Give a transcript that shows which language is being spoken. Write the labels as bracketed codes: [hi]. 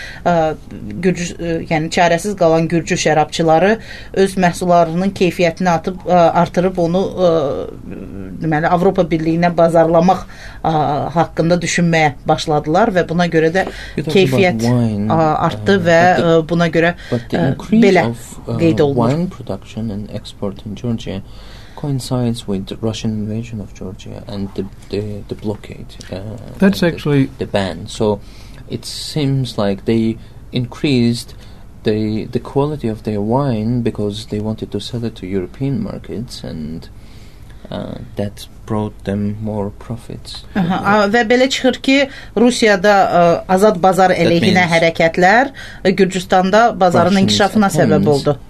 [az] Yəni çarəsiz qalan Gürcü şərabçıları öz məhsullarının keyfiyyətini atıb, artırıb onu deməli, Avropa Birliyinə bazarlamaq haqqında düşünməyə başladılar və buna görə də keyfiyyət artdı və buna görə belə qeyd olunur. [en] In Georgia coincides with the Russian invasion of Georgia and the blockade. That's actually the ban. So it seems like they increased the quality of their wine because they wanted to sell it to European markets and that brought them more profits. [az] Ve belə çıxır ki, Rusiyada azad bazar əleyhinə hərəkətlər Gürcüstanda bazarın inkişafına səbəb oldu.